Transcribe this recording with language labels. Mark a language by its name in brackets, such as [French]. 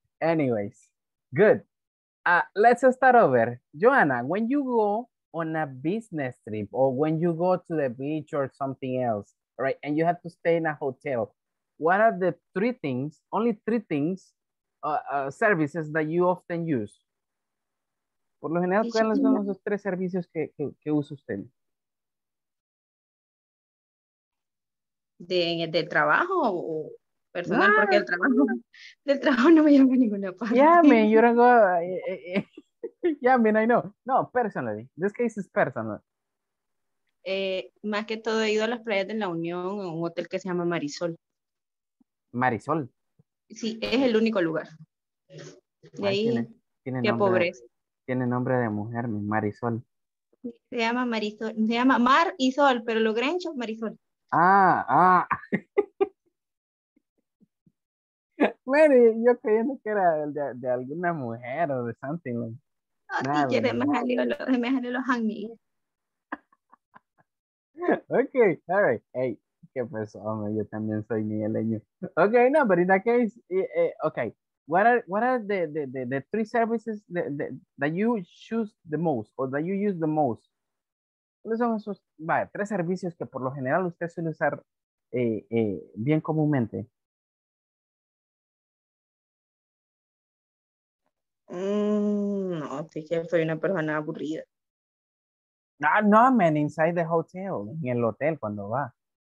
[English] Anyways, good. Let's start over. Joana, when you go on a business trip or when you go to the beach or something else, right, and you have to stay in a hotel, what are the three things, only three things, services that you often use? [Spanish] Por lo general, ¿cuáles son los tres servicios que usa usted? ¿De trabajo o personal? Ah. Porque del trabajo no me llamo a ninguna parte. [English] Yeah, man, you don't go. Yeah, man, I know. No, personally. This case is personal. [Spanish] Más que todo he ido a las playas de La Unión, a un hotel que se llama Marisol. ¿Marisol? Sí, es el único lugar. De ahí... Tiene qué pobreza. Tiene nombre de mujer, mi Marisol. Se llama Marisol. Se llama Mar y Sol, pero lo grencho, Marisol. Mary, yo creyendo que era de alguna mujer o de something. Ay, me [English] jale los Okay, all right. [Spanish] Hey, qué pasó, hombre, yo también soy migueleño. [English] Okay, no, but in that case, okay. What are the three services that you choose the most or that you use the most? [Spanish] ¿Cuáles son esos, vaya, tres servicios que por lo general usted suele usar bien comúnmente? No, teacher, soy una persona aburrida. [English] No, no, man, inside the hotel, [Spanish] en el hotel cuando va.